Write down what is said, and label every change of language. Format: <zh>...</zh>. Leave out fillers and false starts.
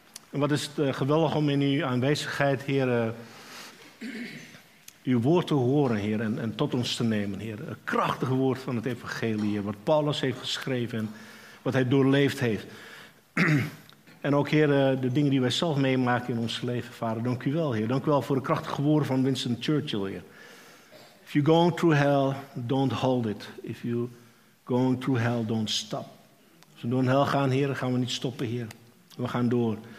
<nl>En wat is het geweldig om in uw aanwezigheid, Heer, uw woord te horen, Heer, en tot ons te nemen, Heer. Een krachtig woord van het evangelie, Heer, wat Paulus heeft geschreven en wat hij doorleefd heeft. En ook, Heer, de dingen die wij zelf meemaken in ons leven, Vader, dank u wel, Heer. Dank u wel voor de krachtige woorden van Winston Churchill, Heer.</nl> <en>If you're going through hell, don't hold it. If you're going through hell, don't stop.</en> <nl>Als we door een hel gaan, Heer, gaan we niet stoppen, Heer. We gaan door.</nl>